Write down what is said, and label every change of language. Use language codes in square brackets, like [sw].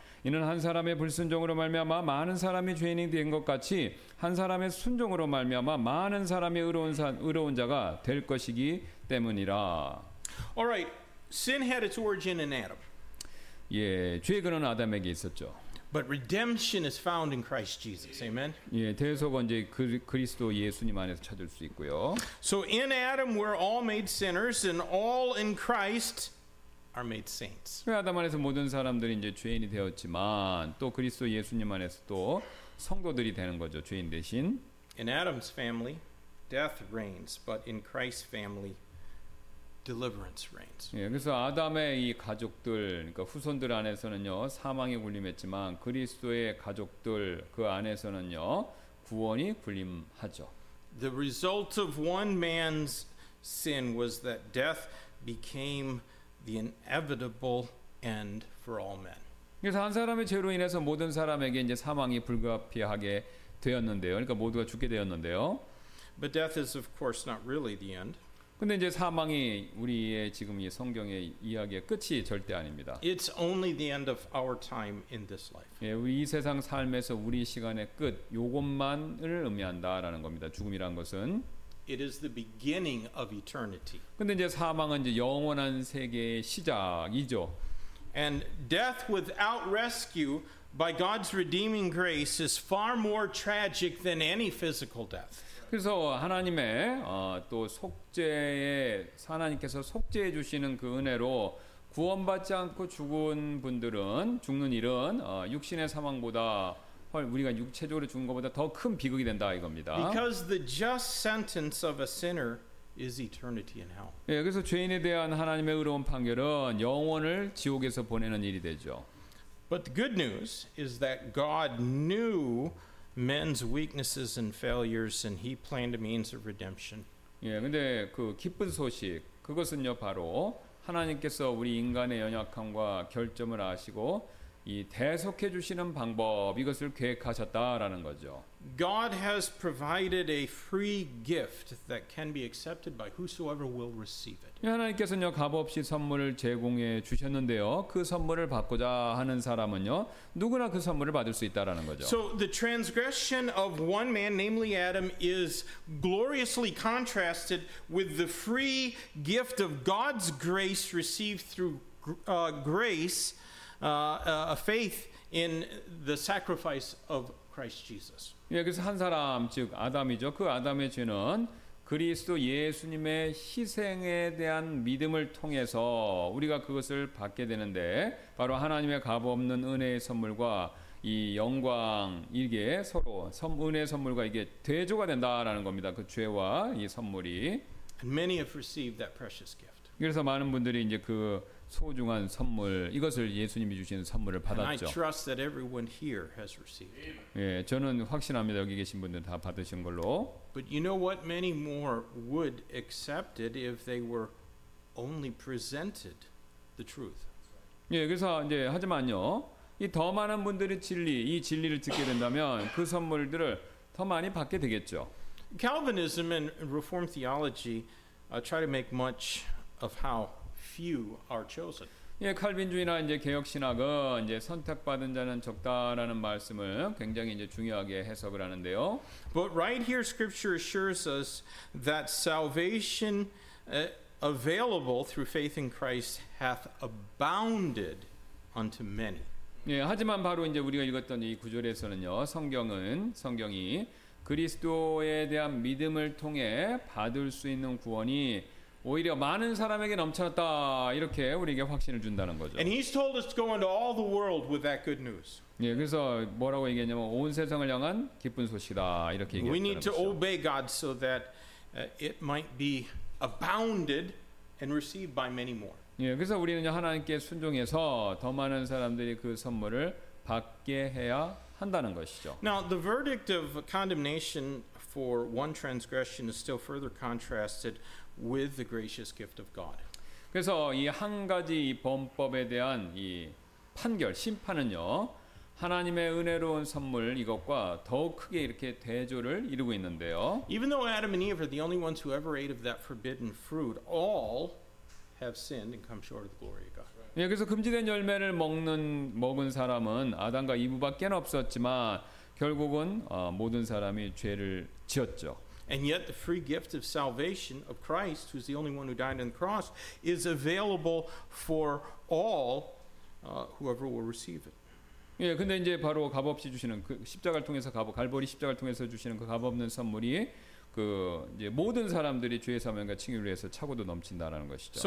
[ko] 이는 한 사람의 불순종으로 말미암아 많은 사람이 죄인이 된 것 같이 한 사람의 순종으로 말미암아 많은 사람이 의로운 자가 될 것이기 때문이라. [en] All right. Sin had its origin in Adam. [ko] 예, 죄 그는 아담에게 있었죠. [en] But redemption is found in Christ Jesus. Amen. [ko] 예, 대속은 이제 그리스도 예수님 안에서 찾을 수 있고요. [en] So in Adam we're all made sinners and all in Christ are made saints. [ko] 아담 안에서 모든 사람들이 이제 죄인이 되었지만 또 그리스도 예수님 안에서 또 성도들이 되는 거죠. 죄인 대신. [en] In Adam's family death reigns, but in Christ's family deliverance reigns. [ko] 예, 그래서 아담의 이 가족들, 그러니까 후손들 안에서는요 사망이 군림했지만 그리스도의 가족들 그 안에서는요 구원이 군림하죠. [en] The result of one man's sin was that death became the inevitable end for all men. [ko] 그래서 한 사람의 죄로 인해서 모든 사람에게 이제 사망이 불가피하게 되었는데요. 그러니까 모두가 죽게 되었는데요. [en] But death is of course not really the end. [ko] 근데 이제 사망이 우리의 지금 이 성경의 이야기의 끝이 절대 아닙니다. [en] It's only the end of our time in this life. [ko] 예, 우리 이 세상 삶에서 우리 시간의 끝, 요것만을 의미한다라는 겁니다. 죽음이란 것은 [en] It is the beginning of eternity. [ko] 근데 이제 사망은 이제 영원한 세계의 시작이죠. [en] And death without rescue by God's redeeming grace is far more tragic than any physical death. [ko] 그래서 하나님의 또 속죄에 하나님께서 속죄해 주시는 그 은혜로 구원받지 않고 죽은 분들은 죽는 일은 육신의 사망보다 우리가 육체적으로 죽은 것보다 더 큰 비극이 된다 이겁니다. [en] Because the just sentence of a sinner is eternity in hell. [ko] 예, 그래서 죄인에 대한 하나님의 의로운 판결은 영혼을 지옥에서 보내는 일이 되죠. [en] But the good news is that God knew men's weaknesses and failures and he planned a means of redemption. [ko] 예, 근데 그 기쁜 소식 그것은요 바로 하나님께서 우리 인간의 연약함과 결점을 아시고 이 대속해 주시는 방법 이것을 계획하셨다라는 거죠. [en] God has provided a free gift that can be accepted by whosoever will receive it. [ko] 예, 하나님께서는요 값없이 선물을 제공해 주셨는데요. 그 선물을 받고자 하는 사람은요 누구나 그 선물을 받을 수 있다라는 거죠. [en] So the transgression of one man, namely Adam, is gloriously contrasted with the free gift of God's grace received through grace. A faith in the sacrifice of Christ Jesus. [ko] 예, 그래서 한 사람 즉 아담이죠. 그 아담의 죄는 그리스도 예수님의 희생에 대한 믿음을 통해서 우리가 그것을 받게 되는데 바로 하나님의 값없는 은혜의 선물과 이 영광 이게 서로 은혜 선물과 이게 대조가 된다라는 겁니다. 그 죄와 이 선물이. [en] And many have received that precious gift. [ko] 그래서 많은 분들이 이제 그 소중한 선물 이것을 예수님이 주신 선물을 받았죠. [en] And I trust that everyone here has received. [ko] 예, 저는 확신합니다. 여기 계신 분들 다 받으신 걸로. [en] But you know what? Many more would accept it if they were only presented the truth. [ko] 예, 그래서 이제 하지만요, 이 더 많은 분들이 진리, 이 진리를 듣게 된다면 그 선물들을 더 많이 받게 되겠죠. [en] Calvinism and Reformed theology try to make much of how few are chosen. [ko] 예, 칼빈주의나 이제 개혁신학은 이제 선택받은 자는 적다라는 말씀을 굉장히 이제 중요하게 해석을 하는데요. [en] But right here scripture assures us that salvation available through faith in Christ hath abounded unto many. [ko] 예, 하지만 바로 이제 우리가 읽었던 이 구절에서는요. 성경이 그리스도에 대한 믿음을 통해 받을 수 있는 구원이 오히려 많은 사람에게 넘쳤다 이렇게 우리에게 확신을 준다는 거죠. [en] And he's told us to go into all the world with that good news. [ko] 예, 그래서 뭐라고 얘기했냐면 온 세상을 향한 기쁜 소식이다 이렇게 얘기했다는 거죠. [en] We need to obey God so that it might be abounded and received by many more. [ko] 예, 그래서 우리는 하나님께 순종해서 더 많은 사람들이 그 선물을 받게 해야 한다는 것이죠. [en] Now the verdict of condemnation for one transgression is still further contrasted with the gracious gift of God. [ko] 그래서 이 한 가지 범법에 대한 이 판결, 심판은요. 하나님의 은혜로운 선물 이것과 더욱 크게 이렇게 대조를 이루고 있는데요. [en] Even though Adam and Eve are the only ones who ever ate of that forbidden fruit, all have sinned and come short of the glory of God. [ko] 예, 그래서 금지된 열매를 먹은 사람은 아담과 이브밖에 없었지만 결국은 모든 사람이 죄를 지었죠. [en] And yet the free gift of salvation of Christ, who's the only one who died on the cross, is available for all whoever will receive it. [ko] 예, 근데 이제 바로 값없이 주시는 그 십자가를 통해서 갈보리 십자가를 통해서 주시는 그 값없는 선물이 그 이제 모든 사람들이 죄 사면과 칭의를 위해서 차고도 넘친다라는 것이죠.